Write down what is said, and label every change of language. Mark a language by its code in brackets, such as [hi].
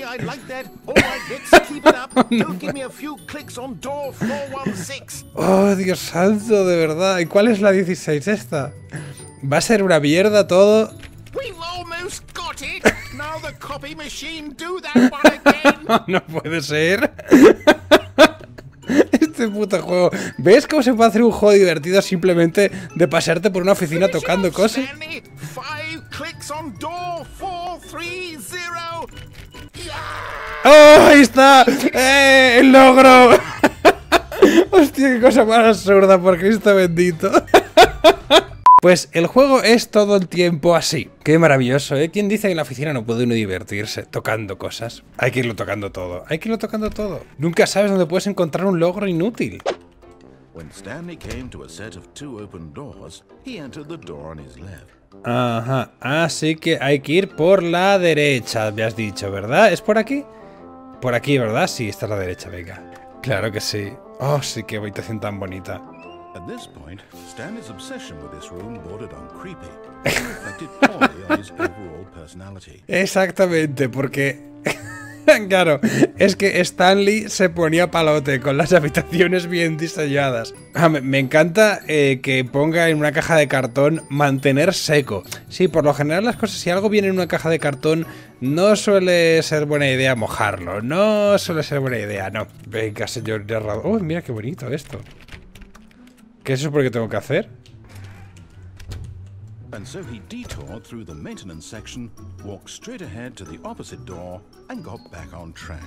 [en] I like that. All right, let's keep it up. No, give me a few clicks on door 416. [es] Oh, Dios santo, de verdad. ¿Y cuál es la 16 esta? Va a ser una mierda todo. [en] We've almost got it. Now the copy machine, do that one again. [es] No puede ser. Este puto juego. ¿Ves cómo se puede hacer un juego divertido simplemente de pasearte por una oficina tocando cosas? [en] Five clicks on door 430. [es] Yeah. ¡Oh, ahí está! ¡El logro! Hostia, qué cosa más absurda, por Cristo bendito. Pues el juego es todo el tiempo así. Qué maravilloso, ¿eh? ¿Quién dice que en la oficina no puede uno divertirse tocando cosas? Hay que irlo tocando todo. Hay que irlo tocando todo. Nunca sabes dónde puedes encontrar un logro inútil. [en] When Stanley came to a set of two open doors, he entered the door on his left. Ajá. [es] Así que hay que ir por la derecha, me has dicho, ¿verdad? ¿Es por aquí? Por aquí, ¿verdad? Sí, está a la derecha, venga. Claro que sí. Oh, sí, qué habitación tan bonita. [en] At this point, Stanley's obsession with this room bordered on creepy. It affected poorly on his overall personality. [es] Exactamente, porque claro, es que Stanley se ponía palote con las habitaciones bien diseñadas. Ah, me encanta que ponga en una caja de cartón mantener seco. Sí, por lo general las cosas, si algo viene en una caja de cartón, no suele ser buena idea mojarlo. No suele ser buena idea, no. Venga, señor narrador. Uy, mira qué bonito esto. ¿Qué es eso por qué tengo que hacer? [en] And so he detoured through the maintenance section, walked straight ahead to the opposite door, and got back on track.